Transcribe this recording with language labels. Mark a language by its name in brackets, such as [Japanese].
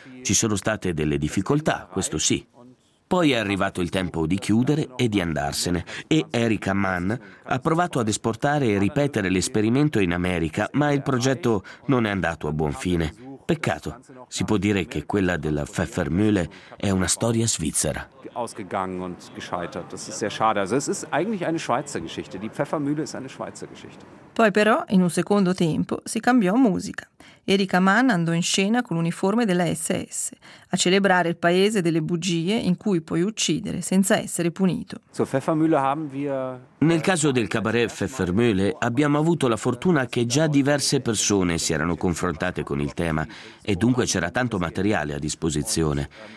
[Italian] Ci sono state delle difficoltà, questo sì. Poi è arrivato il tempo di chiudere e di andarsene e Erika Mann ha provato ad esportare e ripetere l'esperimento in America, ma il progetto non è andato a buon fine. Peccato, si può dire che quella della Pfeffermühle è una storia svizzera. [German] Ausgegangen und gescheitert. Das ist sehr schade. Also es ist eigentlich eine Schweizer Geschichte. Die Pfeffermühle ist eine Schweizer Geschichte. [Italian] Poi però, in un secondo tempo, si cambiò musica. Erika Mann andò in scena con l'uniforme della SS a celebrare il paese delle bugie in cui puoi uccidere senza essere punito. Nel caso del cabaret Pfeffermühle abbiamo avuto la fortuna che già diverse persone si erano confrontate con il tema e dunque c'era tanto materiale a disposizione.